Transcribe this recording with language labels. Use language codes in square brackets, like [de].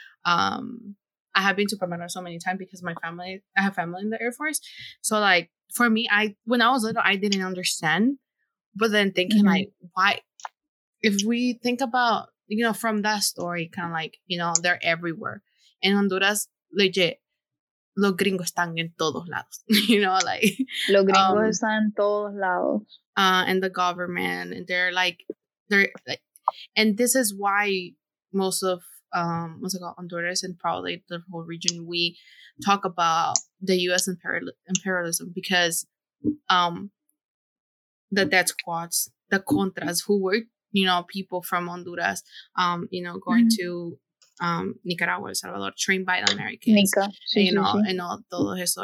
[en] I have been to Palmerola so many times because my family, I have family in the Air Force. So, like, for me, when I was little, I didn't understand. But then thinking, like, why, if we think about, you know, from that story, kind of like, you know, they're everywhere. In Honduras, legit, [es] los gringos están en todos lados. [en] You know, like. [es] Los gringos están en todos lados. [en] And the government, and they're like, and this is why most of, what's it called, Honduras and probably the whole region, we talk about the U.S. imperialism because the death squads, the contras, who were, you know, people from Honduras, you know, going to Nicaragua, El Salvador, trained by the Americans, and all todo eso.